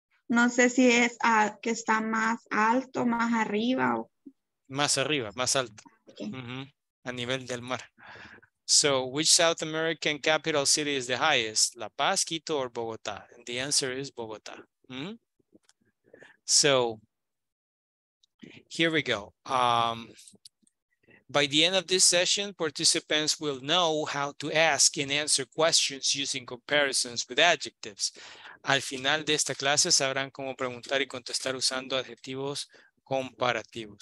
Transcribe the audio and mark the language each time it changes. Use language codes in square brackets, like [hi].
[es] No sé si es a que está más alto, más arriba. O... Más arriba, más alto. Okay. Mm-hmm. A nivel del mar. [en] So, which South American capital city is the highest, La Paz, Quito, or Bogota? And the answer is Bogota. Mm-hmm. So, here we go. By the end of this session, participants will know how to ask and answer questions using comparisons with adjectives. [es] Al final de esta clase, sabrán cómo preguntar y contestar usando adjetivos comparativos.